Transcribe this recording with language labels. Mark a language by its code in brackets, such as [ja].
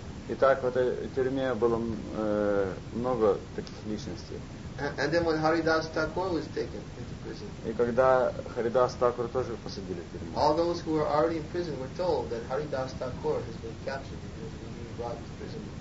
[ru] Итак, в этой тюрьме было много таких личностей. [en] And then when Haridas Thakur was taken into prison, [ru] и когда Харидас Такур тоже посадили в тюрьму. [en] All those who were already in prison were told that Haridas Thakur has been captured because he was brought to prison.